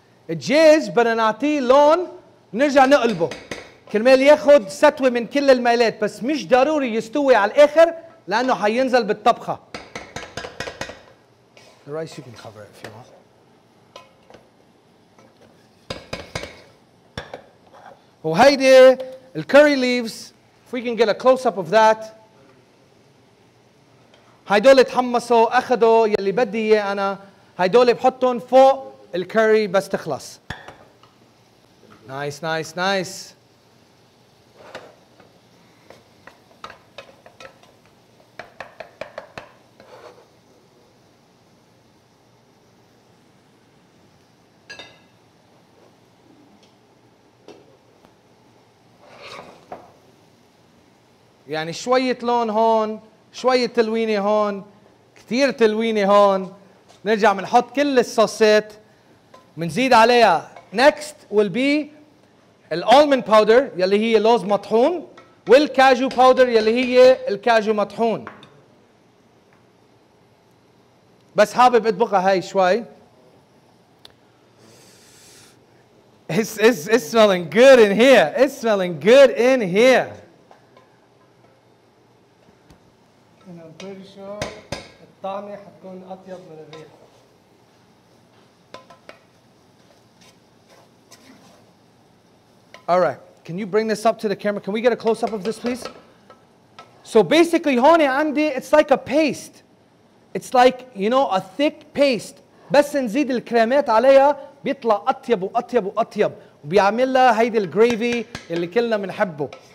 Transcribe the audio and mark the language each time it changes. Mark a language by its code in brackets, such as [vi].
[ar] الجيز بدنا نعطيه لون، نرجع نقلبه كرمال ياخذ سطوة من كل الميلات، بس مش ضروري يستوي على الاخر لانه حينزل بالطبخة. [en] The rice you can cover it if you want. [ar] وهيدي الكاري ليفز، [en] if we can get a close up of that. [ar] هيدول تحمصوا اخذوا يلي بدي اياه انا، هيدول بحطهم فوق الكاري بس تخلص. [en] Nice nice nice. [ar] يعني شوية لون هون، شوية تلوينة هون، كثير تلوينة هون. نرجع بنحط كل الصوصات، منزيد عليها [en] next will be [ar] الالمند باودر يلي هي لوز مطحون، والكاجو باودر يلي هي الكاجو مطحون. بس حابب اطبخها هاي شوي. [en] It's smelling good in here. It's smelling good in here. And I'm pretty sure [ar] الطعمة حتكون اطيب من الريحة. [en] All right, can you bring this up to the camera? Can we get a close-up of this, please? So basically, honey, [ar] عندي, [en] it's like a paste. It's like, you know, a thick paste. [ar] بس نزيد الكريمات عليها بيطلع أطيب وأطيب وأطيب. وبيعمل لها هيدي الجريفي اللي كلنا منحبه.